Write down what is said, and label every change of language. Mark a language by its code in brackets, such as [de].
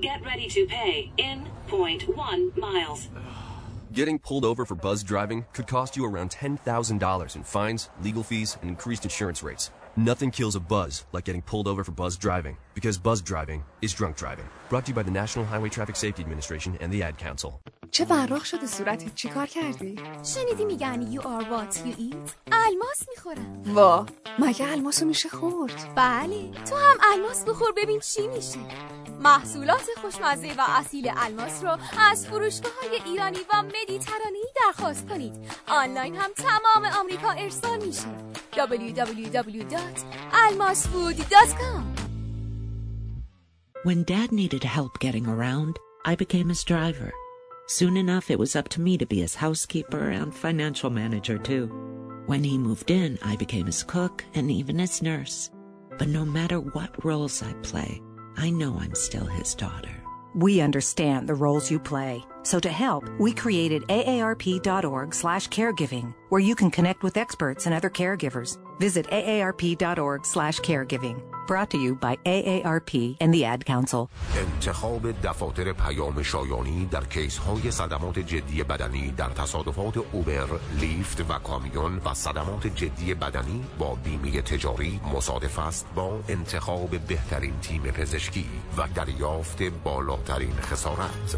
[en] Get ready to pay in 0.1 miles. Getting pulled over for buzz driving could cost you around $10,000 in fines, legal fees, and increased insurance rates. Nothing kills a buzz like getting pulled over for buzz driving, because buzz driving is drunk driving. Brought to you by the National Highway Traffic Safety Administration and the Ad Council. [fa] چه براخ شده صورتت؟ چی کار کردی؟ شنیدی میگن [en] You are what you eat؟ [fa] الماس میخورم. وا، مگه الماسو میشه خورد؟ بله، تو هم الماس بخور ببین چی میشه. محصولات خوشمزه و اصیل الماس رو از فروشگاه های ایرانی و مدیترانه‌ای درخواست کنید. آنلاین هم تمام آمریکا ارسال میشه. www.almasfood.com. [en] When dad needed help getting around, I became his driver. Soon enough, it was up to me to be his housekeeper and financial manager, too. When he moved in, I became his cook and even his nurse. But no matter what roles I play, I know I'm still his daughter. We understand the roles you play. So to help, we created aarp.org/caregiving, where you can connect with experts and other caregivers. Visit aarp.org/caregiving. Brought to you by AARP and the Ad Council. [fa] انتخاب دفاتر پیام شایانی در کیس های صدمات جدی بدنی در تصادفات اوبر، لیفت و کامیون و صدمات جدی بدنی با بیمه تجاری مصادف است با انتخاب بهترین تیم پزشکی و دریافت بالاترین خسارت.